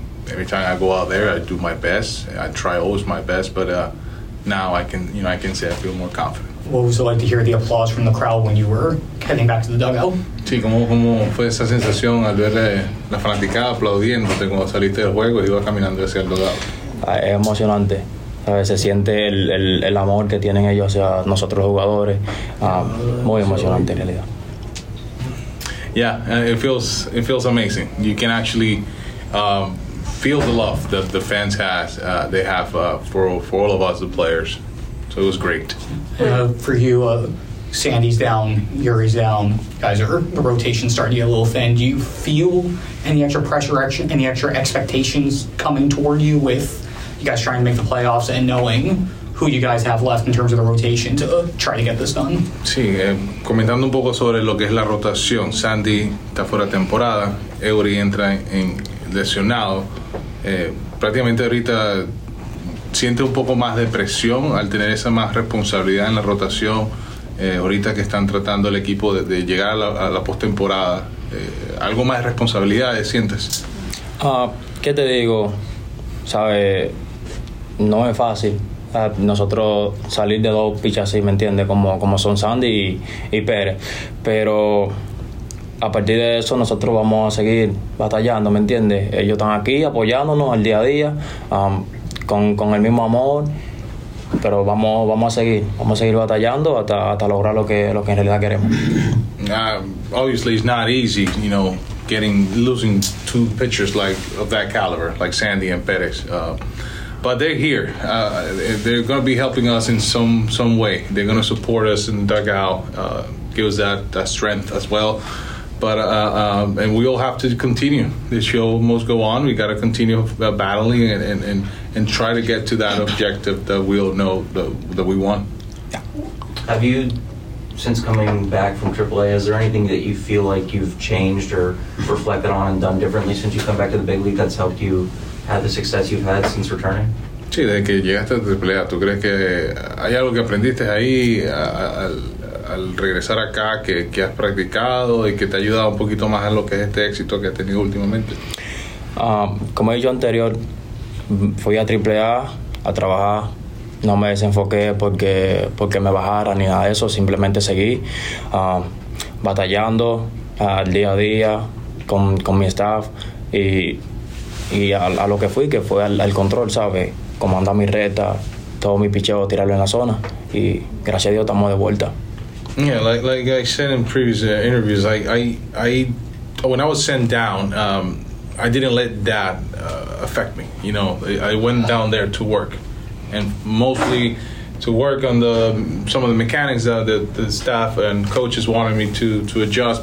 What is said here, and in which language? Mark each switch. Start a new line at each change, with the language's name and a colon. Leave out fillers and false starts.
English: Every time I go out there, I do my best. I try always my best, but now I can say I feel more confident. What was it like to hear the applause from the crowd when you were heading back to the dugout?
Spanish: Sí, como fue esa sensación al ver la fanaticada aplaudiéndote cuando saliste del juego y iba caminando hacia el dugout. Es emocionante. ¿Sabes? Se siente el amor que tienen ellos hacia nosotros jugadores. Muy emocionante en realidad.
English: Yeah, it feels amazing. You can actually feel the love that the fans has they have for all of us, the players. So it was great. For you, Sandy's down, Yuri's down. Guys, the rotation starting to get a little thin. Do you feel any extra pressure, any extra expectations coming toward you with you guys trying to make the playoffs and knowing who you guys have left in terms of the rotation to try to get this done?
Spanish: Sí, comentando un poco sobre lo que es la rotación. Sandy está fuera temporada. Eury entra en lesionado. Prácticamente ahorita siente un poco más de presión al tener esa más responsabilidad en la rotación. Ahorita que están tratando el equipo de llegar a la postemporada. ¿Algo más de responsabilidades sientes? ¿Qué te digo? ¿Sabe? No es fácil nosotros salir de dos pitchers así, ¿me entiendes? Como son Sandy y Pérez. Pero a partir de eso nosotros vamos a seguir batallando, ¿me entiendes? Ellos están aquí apoyándonos al día a día con el mismo amor. Pero vamos a seguir batallando hasta lograr lo que en realidad queremos.
English: Obviously it's not easy, you know, losing two pitchers like of that caliber, like Sandy and Pérez. But they're here. They're going to be helping us in some way. They're going to support us in the dugout, give us that strength as well. But and we all have to continue. This show must go on. We got to continue battling and try to get to that objective that we all know that we want. Yeah. Have you, since coming back from AAA, is there anything that you feel like you've changed or reflected on and done differently since you come back to the big league that's helped you have the success you've had since returning?
Spanish: Sí, desde que llegaste a AAA, ¿tú crees que hay algo que aprendiste ahí al regresar acá que has practicado y que te ha ayudado un poquito más en lo que es este éxito que has tenido últimamente? Como he dicho anterior, fui a AAA a trabajar. No me desenfoqué porque me bajara ni nada de eso. Simplemente seguí batallando al día a día con mi staff y a lo que fui, que fue al control, ¿sabes? Cómo anda mi reta, todo mi picheo, tirarlo en la zona. Y gracias a Dios, estamos de vuelta.
English: Yeah, like I said in previous interviews, I when I was sent down, I didn't let that affect me. You know, I went down there to work. And mostly to work on some of the mechanics that the staff and coaches wanted me to adjust.